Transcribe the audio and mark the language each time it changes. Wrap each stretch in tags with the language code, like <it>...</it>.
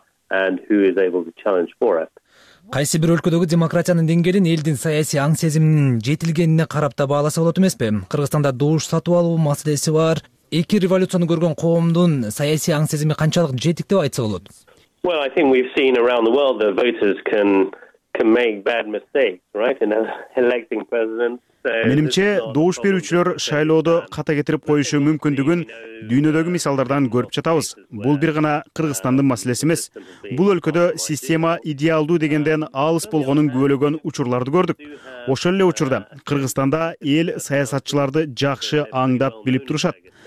<en>And who is able to challenge for it.</en> <ky>Кайсы бир өлкөдөгү демократиянын деңгээлин элдин саясий аң сезиминин жетилгенине карап да бааласа болот эмеспи? Кыргызстанда добуш сатып алуу маселеси бар. Эки революцияны көргөн коомдун саясий аң сезими канчалык жетик деп айтса болот?</ky> <en>Well, I think we've seen around the world that voters can make bad mistakes, right? In electing presidents.</en> <ky>Менимче, добуш берүүчүлөр шайлоодо ката кетирип коюшу мүмкүндүгүн дүйнөдөгү мисалдардан көрүп жатабыз. Бул бир гана Кыргызстандын маселеси эмес. Бул өлкөдө система идеалдуу дегенден алыс болгонун күбөлөгөн учурларды көрдүк. Ошол эле учурда Кыргызстанда эл саясатчыларды жакшы аңдап билип турушат.</ky>